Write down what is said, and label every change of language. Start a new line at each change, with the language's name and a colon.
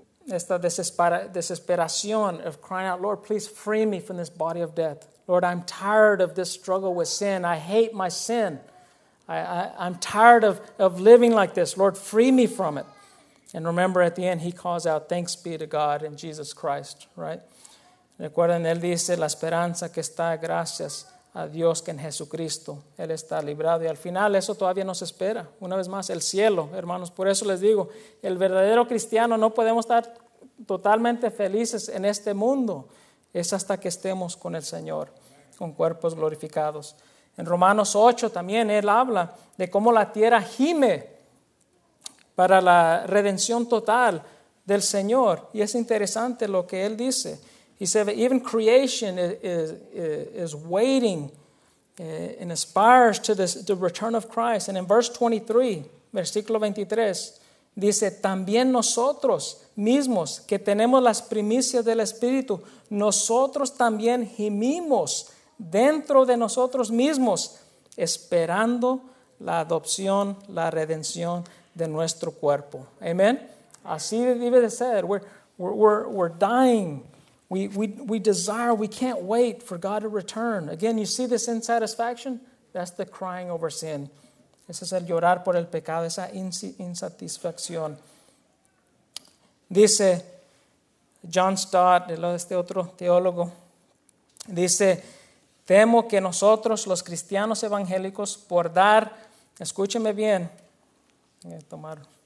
Spanish: esta desesperación
English: of crying out, Lord, please free me from this body of death. Lord, I'm tired of this struggle with sin. I hate my sin. I'm tired of living like this. Lord, free me from it. And remember, at the end, he calls out, thanks be to God in Jesus Christ, right?
Spanish: Recuerden, él dice, la esperanza que está gracias a Dios que en Jesucristo él está librado. Y al final, eso todavía nos espera. Una vez más, el cielo, hermanos. Por eso les digo, el verdadero cristiano no podemos estar totalmente felices en este mundo. Es hasta que estemos con el Señor, con cuerpos glorificados. En Romanos 8 también él habla de cómo la tierra gime para la redención total del Señor. Y es interesante lo que él dice.
English: He said, even creation is waiting and aspires to the return of Christ. And in verse 23,
Spanish: versículo 23, dice, también nosotros mismos que tenemos las primicias del Espíritu, nosotros también gimimos dentro de nosotros mismos, esperando la adopción, la redención de nuestro cuerpo. Amen. Así debe de ser.
English: We're dying. We desire. We can't wait for God to return. Again, you see this insatisfaction? That's the crying over sin.
Spanish: Ese es el llorar por el pecado, esa insatisfacción. Dice John Stott, este otro teólogo, dice, temo que nosotros, los cristianos evangélicos, por dar, escúcheme bien, voy a tomar.